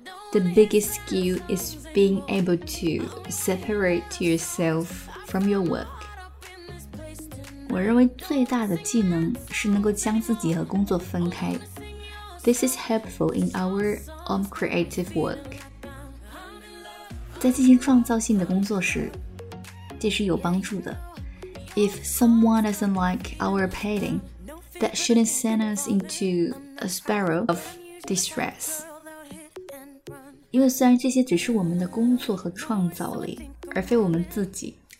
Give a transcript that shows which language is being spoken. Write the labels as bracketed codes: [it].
[en] The biggest skill is being able to separate yourself from your work. [zh] 我认为最大的技能是能够将自己和工作分开。 [en] This is helpful in our own creative work. [zh] 在进行创造性的工作时，这是有帮助的。 [en] If someone doesn't like our painting,That shouldn't send us into a spiral of distress. [zh] 因为虽然这些只是我们的工作和创造力，而非我们自己。